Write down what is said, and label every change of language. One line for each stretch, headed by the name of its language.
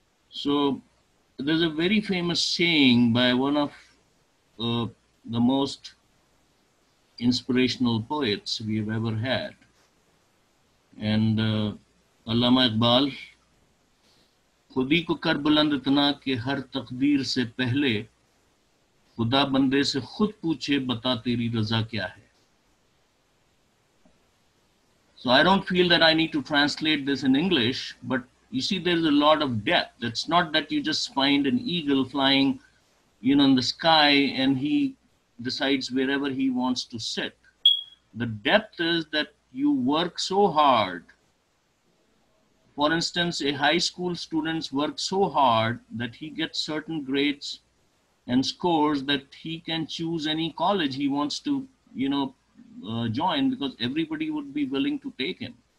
English: So there's a very famous saying by one of the most inspirational poets we have ever had. And Allama Iqbal,
Urdu: خودی کو کر بلند اتنا کہ ہر تقدیر سے پہلے خدا بندے سے خود پوچھے بتا تیری رضا کیا ہے.
English: So I don't feel that I need to translate this in English, but you see there's a lot of depth. It's not that you just find an eagle flying, you know, in the sky and he decides wherever he wants to sit. The depth is that you work so hard. For instance, a high school student works so hard that he gets certain grades and scores that he can choose any college he wants to, you know, join, because everybody would be willing to take him.